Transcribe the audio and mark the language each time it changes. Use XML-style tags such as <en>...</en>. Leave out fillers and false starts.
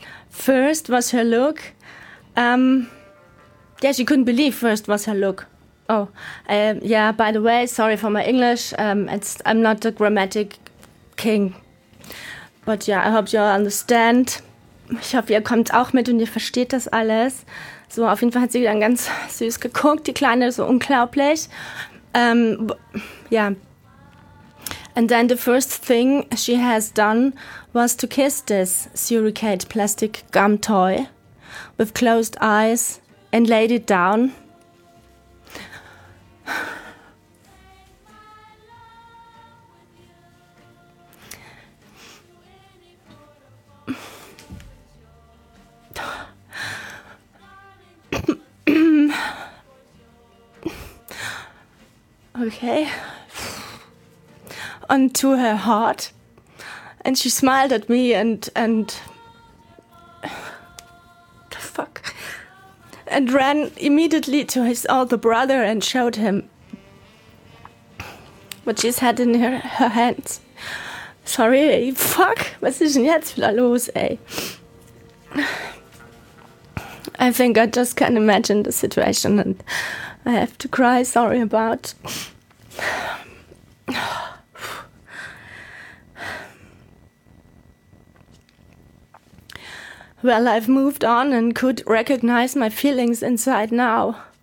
<en>First was her look. She couldn't believe first was her look. Oh, yeah, by the way, sorry for my English. I'm not a grammatic king. But yeah, I hope you all understand.</en> <de>Ich hoffe, ihr kommt auch mit und ihr versteht das alles. So, auf jeden Fall hat sie dann ganz süß geguckt, die Kleine, so unglaublich.</de> <en>And then the first thing she has done was to kiss this suricate plastic gum toy with closed eyes and laid it down. Okay. Onto her heart, and she smiled at me and the fuck, and ran immediately to his older brother and showed him what she's had in her hands.</en> <de>Sorry, fuck, was ist denn jetzt wieder los, ey?</de> <en>I think I just can't imagine the situation and I have to cry, sorry about. Well, I've moved on and could recognize my feelings inside now.</en>